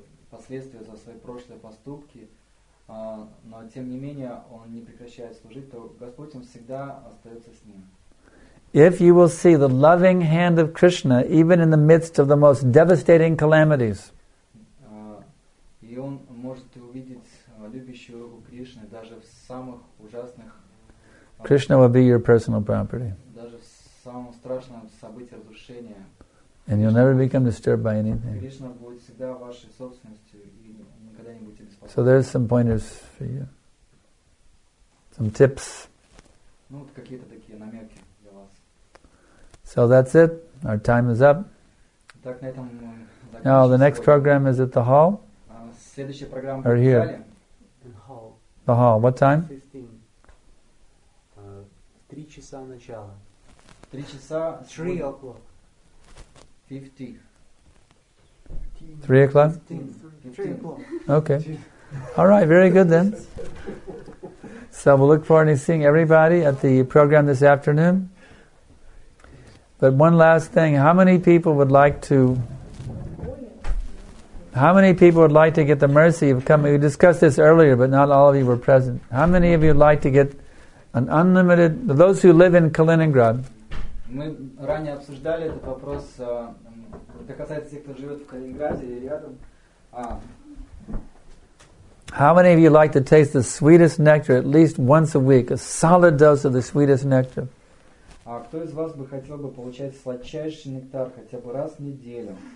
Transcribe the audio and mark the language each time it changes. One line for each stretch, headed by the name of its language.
Russian: Последствия за свои прошлые поступки, но тем не менее он не прекращает служить, то Господь он всегда остается с ним.
English: If you will see the loving hand of Krishna even in the midst of the most devastating calamities,
Russian: и он может увидеть любящую руку Кришны даже в самых ужасных.
English: Krishna will be your personal property.
Russian: Даже в самом страшном событии разрушения.
English: And you'll never become disturbed by anything.
Russian: Krishna будет всегда вашей собственностью и никогда не будете беспокоены.
English: So there's some pointers for you. Some tips.
Russian: Ну, вот какие-то такие намеки для вас.
English: So that's it. Our time is up.
Russian: Так, на этом
English: Now the next program is at the hall.
Russian: Следующая программа
English: Or here. The hall. What time? 15.
Russian: 3 часа начала. 3 часа.
English: 3 o'clock. 3 o'clock? 3 o'clock. Okay. All right, very good then. So we'll look forward to seeing everybody at the program this afternoon. But one last thing, how many people would like to get the mercy of coming? We discussed this earlier, but not all of you were present. How many of you would like to get an unlimited, those who live in Kaliningrad?
Russian: Мы ранее обсуждали этот вопрос, это касается тех, кто живет в Калининграде и рядом.
English: How many of you like to taste the sweetest nectar at least once a week, a solid dose of the sweetest nectar?
Russian: А кто из вас бы хотел бы получать сладчайший нектар хотя бы раз в неделю?